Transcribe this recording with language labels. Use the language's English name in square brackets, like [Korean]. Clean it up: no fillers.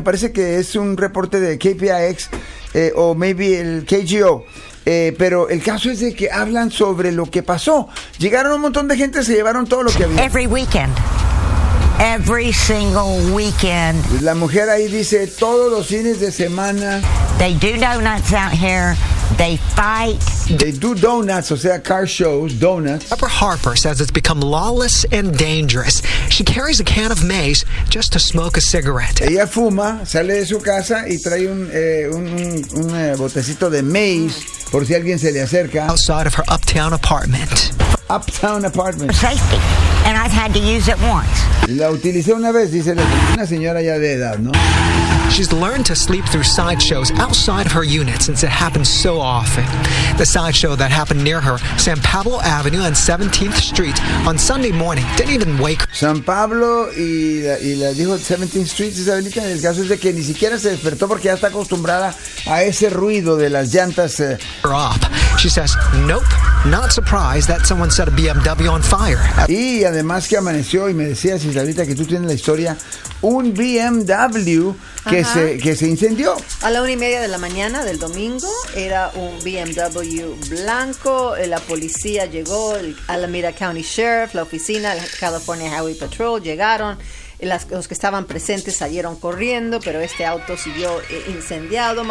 [Spanish] Me parece que es un reporte de KPIX o maybe el KGO, pero el caso es de que hablan sobre lo que pasó. Llegaron un montón de gente, se llevaron todo lo que había. [English] Every single weekend. [Spanish] La mujer ahí dice, todos los fines de semana. [English] They do donuts out here. They fight. They do donuts, [Spanish] o sea, [English] car shows, donuts. Deborah Harper says it's become lawless and dangerous. She carries a can of mace just to smoke a cigarette. [Spanish] Ella fuma, sale de su casa y trae un botecito de mace por si alguien se le acerca. [English] Outside of her uptown apartment. Uptown apartment. For safety. And I've had to use it once. [Spanish] La utilicé una vez, dice la una señora ya de edad, ¿no? [English] She's learned to sleep through sideshows outside of her unit since it happens so often. The sideshow that happened near her, San Pablo Avenue and 17th Street, on Sunday morning, didn't even wake her. [Spanish] San Pablo y la dijo 17th Street, esa avenida, el caso es de que ni siquiera se despertó porque ya está acostumbrada a ese ruido de las llantas. [English] She says, nope, not surprised that someone set a BMW on fire. [Spanish] Y además que amaneció y me decía, Cisalita, que tú tienes la historia, un BMW... Que se incendió. A la 1:30 de la mañana del domingo, era un BMW blanco, la policía llegó, el Alameda County Sheriff, la oficina, el California Highway Patrol llegaron, los que estaban presentes salieron corriendo, pero este auto siguió incendiado.